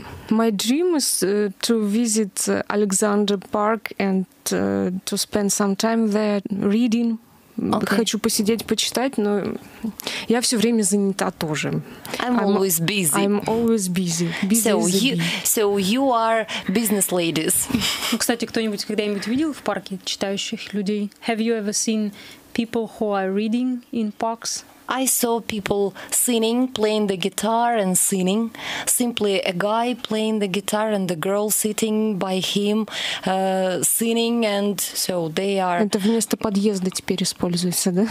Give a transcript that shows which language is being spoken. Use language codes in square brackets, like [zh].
[en] My dream is to visit Alexander Park and to spend some time there reading. Okay. [ru] Хочу посидеть, почитать, но я все время занята тоже. [en] I'm always busy. So you are business ladies. [ru] Ну, кстати, кто-нибудь когда-нибудь видел в парке читающих людей? [en] Have you ever seen people who are reading in parks? I saw people singing, playing the guitar and singing. Simply a guy playing the guitar and the girl sitting by him, singing, and so they are... [ru] Это вместо подъезда теперь используется, да?